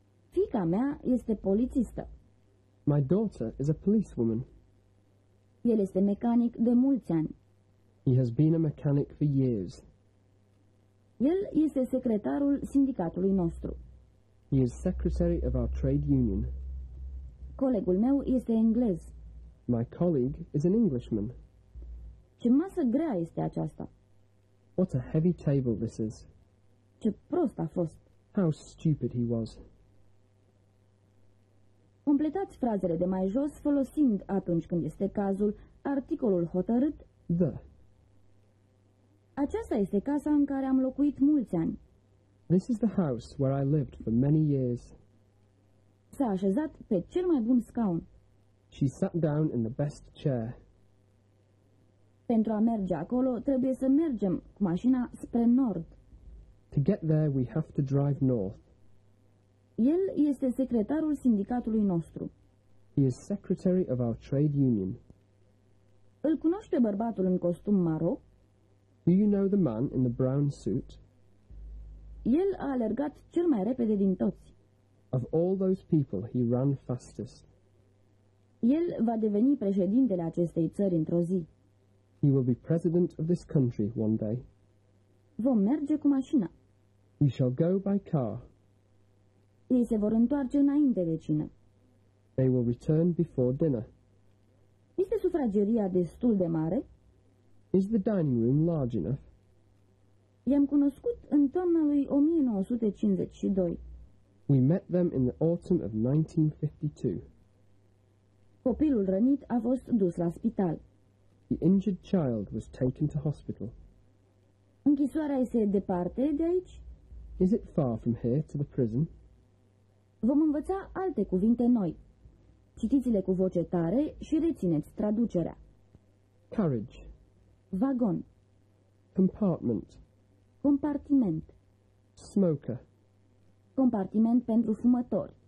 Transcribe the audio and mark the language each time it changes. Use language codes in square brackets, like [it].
[ro] Fiica mea este polițistă. [en] My daughter is a policewoman. [ro] El este mecanic de mulți ani. [en] He has been a mechanic for years. [ro] El este secretarul sindicatului nostru. [en] He is secretary of our trade union. [ro] Colegul meu este englez. [en] My colleague is an Englishman. [ro] Ce masă grea este aceasta! [en] What a heavy table this is! [ro] Ce prost a fost! [en] How stupid he was! [ro] Completați frazele de mai jos folosind, atunci când este cazul, articolul hotărât [en] the. [ro] Aceasta este casa în care am locuit mulți ani. [en] This is the house where I lived for many years. [ro] S-a așezat pe cel mai bun scaun. [en] She sat down in the best chair. [ro] Pentru a merge acolo, trebuie să mergem cu mașina spre nord. [en] To get there, we have to drive north. [ro] El este secretarul sindicatului nostru. [en] He is secretary of our trade union. [ro] Îl cunoști pe bărbatul în costum maro? [en] Do you know the man in the brown suit? [ro] El a alergat cel mai repede din toți. [en] Of all those people, he ran fastest. [ro] El va deveni președintele acestei țări într-o zi. [en] He will be president of this country one day. [ro] Vom merge cu mașina. [en] We shall go by car. [ro] Ei se vor întoarce înainte de cină. [en] They will return before dinner. [ro] Este sufrageria destul de mare? [en] Is the dining room large enough? [ro] I-am cunoscut în toamna lui 1952. [en] We met them in the autumn of 1952. [ro] Copilul rănit a fost dus la spital. [en] The injured child was taken to hospital. [ro] Închisoarea este departe de aici? [en] Is it far from here to the prison? [ro] Vom învăța alte cuvinte noi. Citiți-le cu voce tare și rețineți traducerea. [en] Carriage. [ro] Vagon. [en] Compartment. [ro] Compartiment. [en] Smoker. [ro] Compartiment pentru fumător.